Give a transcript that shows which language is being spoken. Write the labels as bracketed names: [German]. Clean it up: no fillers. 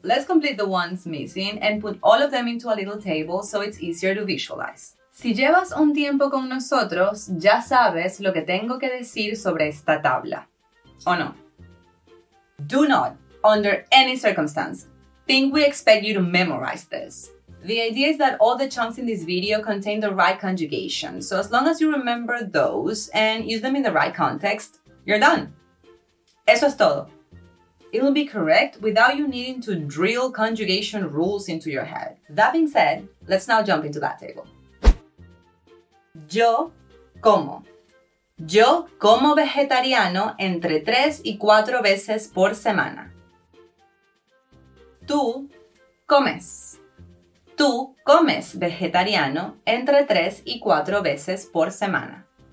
[English] Let's complete the ones missing and put all of them into a little table so it's easier to visualize. [Spanish] Si llevas un tiempo con nosotros, ya sabes lo que tengo que decir sobre esta tabla. ¿O no? [English] Do not, under any circumstance, think we expect you to memorize this. The idea is that all the chunks in this video contain the right conjugation, so as long as you remember those and use them in the right context, you're done. [Spanish] Eso es todo. [English] It will be correct without you needing to drill conjugation rules into your head. That being said, let's now jump into that table. [Spanish] Yo como. Yo como vegetariano entre 3 y 4 veces por semana. Tú comes. Tú comes vegetariano entre 3 y 4 veces por semana.